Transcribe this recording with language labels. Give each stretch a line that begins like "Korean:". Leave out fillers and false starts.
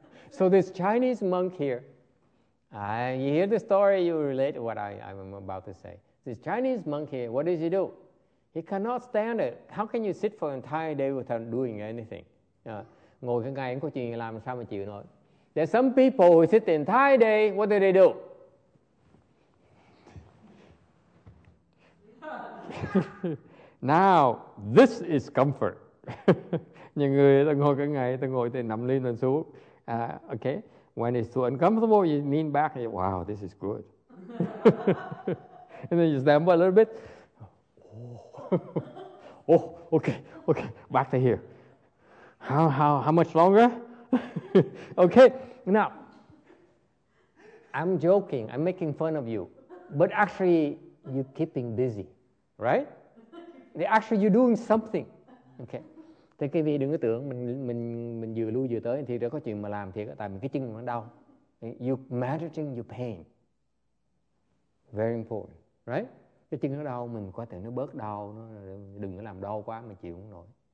English: So this Chinese monk here, you hear the story, you relate to what I'm about to say. This Chinese monk here, what does he do? He cannot stand it. How can you sit for an entire day without doing anything?
Vietnamese: Ngồi cả ngày không có chuyện làm sao mà chịu nổi.
English: There are some people who sit the entire day, what do they do? Now, this is comfort.
Vietnamese: Những người ta ngồi cả ngày, ta ngồi từ nằm lên lên xuống.
English: Okay, when it's too uncomfortable, you lean back and you, wow, this is good. And then you stand up a little bit. Oh, okay, back to here. How much longer? Okay, now, I'm joking, I'm making fun of you, but actually, you're keeping busy, right? Actually, you're doing something. Okay.
Vietnamese: Thế cái vị đừng có tưởng mình vừa lui vừa tới thì đã có chuyện mà làm thiệt, tại mình cái chân nó đau.
English: You're managing your pain. Very important, right?
Vietnamese: Cái chân nó đau, mình có thể nó bớt đau, nó đừng có làm đau quá mà chịu không nổi.